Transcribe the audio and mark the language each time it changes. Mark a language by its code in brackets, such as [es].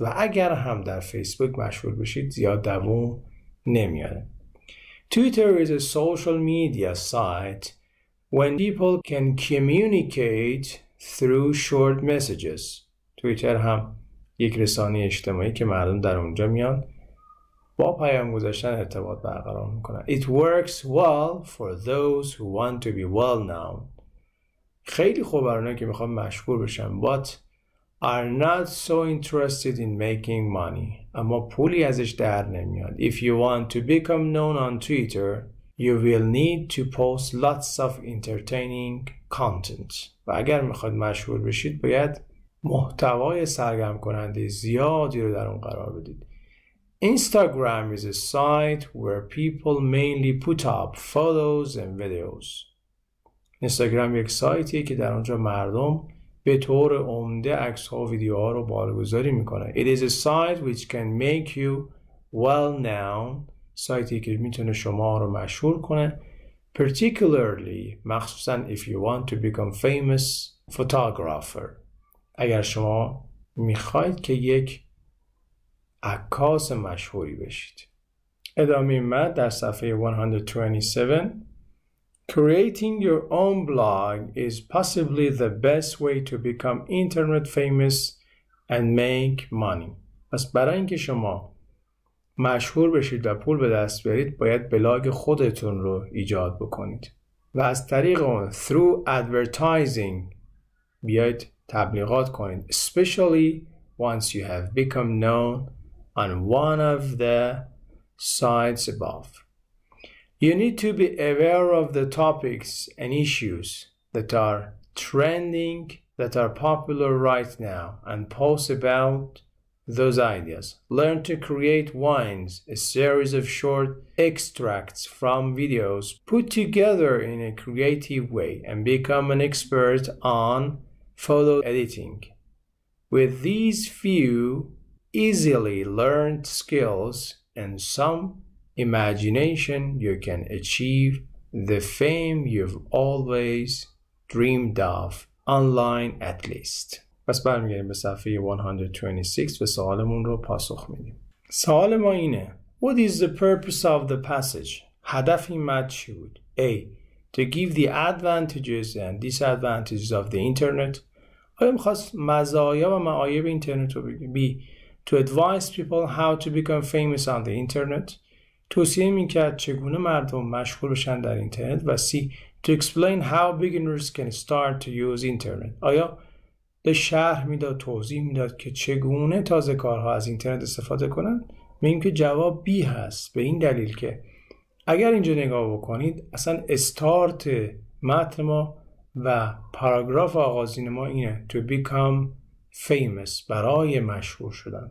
[fa] و اگر هم در فیسبوک مشهور بشید، زیاد دوام نمیاره. [en] Twitter is a social media site when people can communicate through short messages. [fa] Twitter هم یک رسانه اجتماعی که مردم در اونجا میان با پیام گذاشتن ارتباط برقرار میکنن. [en] It works well for those who want to be well known. [fa] خیلی خوب برای اونایی که میخوان مشهور بشن. [en] But are not so interested in making money. [fa] اما پولی ازش در نمیاد. [en] If you want to become known on Twitter, you will need to post lots of entertaining content. [fa] و اگر میخواد مشهور بشید، باید محتوای سرگرم کننده زیادی رو در اون قرار بدید. [en] Instagram is a site where people mainly put up photos and videos. [fa] Instagram یک سایتیه که در اونجا مردم به طور عمده عکس ها و ویدیوها رو بارگذاری میکنه. [en] It is a site which can make you well known. [fa] سایتی که میتونه شما رو مشهور کنه. [en] Particularly [fa] مخصوصا [en] if you want to become famous photographer. [fa] اگر شما میخواید که یک عکاس مشهوری بشید. ادامه مد در صفحه 127. [en] Creating your own blog is possibly the best way to become internet famous and make money. [fa] پس برای اینکه شما مشهور بشید و پول به دست بیارید، باید بلاگ خودتون رو ایجاد بکنید و از طریق اون [en] through advertising [fa] بیاید تبلیغات کنید. [en] Especially once you have become known on one of the sites above. You need to be aware of the topics and issues that are trending that are popular right now and post about those ideas. Learn to create wines, a series of short extracts from videos put together in a creative way, and become an expert on photo editing. With these few easily learned skills and some imagination, you can achieve the fame you've always dreamed of, online at least. [fa] پس برمیگردیم به صفحه 126 و سوالمون رو پاسخ میدیم. سوال ما اینه: [en] What is the purpose of the passage? [fa] هدف این متن چی بود؟ A. [en] To give the advantages and disadvantages of the internet. [fa] آیا می‌خواست مزایا و معایب اینترنت رو بگه؟ B. [en] To advise people how to become famous on the internet. [fa] توصیه می‌کرد چگونه مردم مشهور بشن در اینترنت. [en] و C. To explain how beginners can start to use internet. [fa] آیا به شرح میداد، توضیح میداد که چگونه تازه کارها از اینترنت استفاده کنن؟ میگیم که جواب B هست، به این دلیل که اگر اینجا نگاه بکنید اصلا استارت متن ما و پاراگراف آغازین ما اینه [en] To become famous، [fa] برای مشهور شدن.